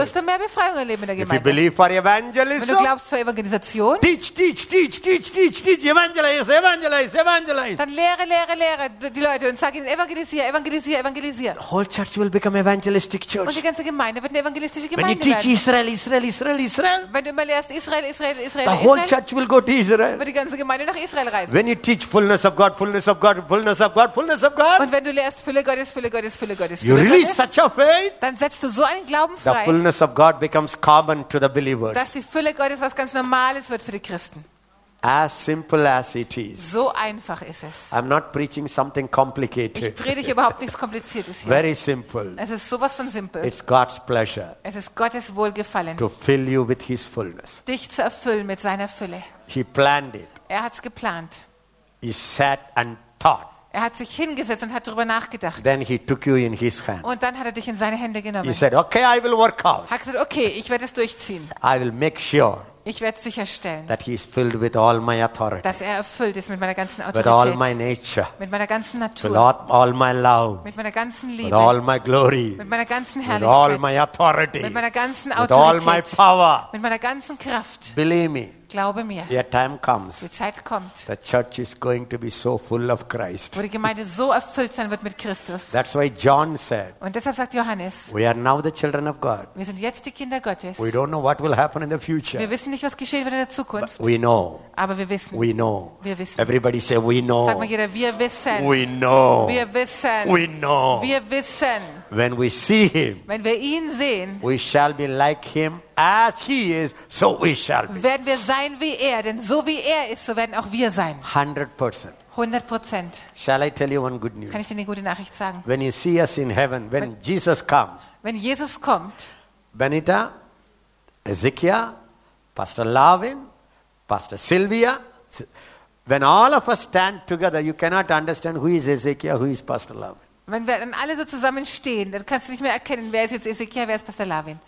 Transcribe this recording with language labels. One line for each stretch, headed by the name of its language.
German: Wirst du mehr Befreiung erleben in der Gemeinde.
English: If you believe for evangelism,
German: wenn du glaubst für Evangelisation,
English: teach, evangelize.
German: Dann lehre die Leute und sag ihnen evangelisier.
English: The whole church will become evangelistic church.
German: Und die ganze Gemeinde wird eine evangelistische Gemeinde werden.
English: When you teach Israel.
German: Wenn du immer lehrst, Israel.
English: The whole church will go to Israel.
German: Wird die ganze Gemeinde nach Israel reisen.
English: When you teach fullness of God.
German: Und wenn du lehrst, Fülle Gottes.
English: You release such a faith.
German: Dann setzt du so einen Glauben frei.
English: The fullness of God becomes common to the believers.
German: Dass die Fülle Gottes was ganz Normales wird für die Christen.
English: As simple as it is.
German: So einfach ist es.
English: I'm not preaching something complicated.
German: Ich predige überhaupt nichts Kompliziertes hier.
English: Very simple.
German: Es ist sowas von simpel.
English: It's God's pleasure.
German: Es ist Gottes Wohlgefallen.
English: To fill you with His fullness.
German: Dich zu erfüllen mit seiner Fülle.
English: He planned it.
German: Er hat's geplant.
English: He sat and thought.
German: Er hat sich hingesetzt und hat darüber nachgedacht.
English: Then he took you in his hand.
German: Und dann hat er dich in seine Hände genommen.
English: He said, "Okay, I will work out."
German: Hat gesagt, okay, ich werde es durchziehen.
English: I will make sure.
German: Ich werde sicherstellen,
English: that he is filled with all my authority,
German: dass er erfüllt ist mit meiner ganzen Autorität,
English: with all my nature,
German: mit meiner ganzen Natur,
English: with all my love,
German: mit meiner ganzen Liebe,
English: with all my glory,
German: mit meiner ganzen Herrlichkeit,
English: with all my authority,
German: mit meiner ganzen Autorität,
English: with all my power,
German: mit meiner ganzen Kraft.
English: Believe me.
German: Glaube mir.
English: Your time comes.
German: Die Zeit kommt.
English: The church is going to be so full of Christ.
German: Wo die Gemeinde so erfüllt sein wird mit Christus.
English: That's why John said.
German: Und deshalb sagt Johannes.
English: We are now the children of God.
German: Wir sind jetzt die Kinder Gottes.
English: We don't know what will happen in the future.
German: Wir wissen nicht, was geschehen wird in der Zukunft.
English: But we know.
German: Aber wir wissen.
English: We know.
German: Wir wissen.
English: Everybody say we know.
German: Sag mal jeder, wir wissen.
English: We know.
German: Wir wissen.
English: We know.
German: Wir wissen.
English: When we see him,
German: wenn wir ihn sehen,
English: we shall be like him as he is, so we shall be.
German: Werden wir sein wie er, denn so wie er ist, so werden auch wir sein.
English: 100%.
German: 100%.
English: Shall I tell you one good news?
German: Kann ich dir eine gute Nachricht sagen?
English: When you see us in heaven, when Jesus comes.
German: Wenn Jesus kommt.
English: Benita, Ezekiel, Pastor Lavin, Pastor Sylvia, when all of us stand together, you cannot understand who is Ezekiel, who is Pastor Lavin.
German: Wenn wir dann alle so zusammenstehen, dann kannst du nicht mehr erkennen, wer ist jetzt Ezekiel, wer ist Pastor Lavin.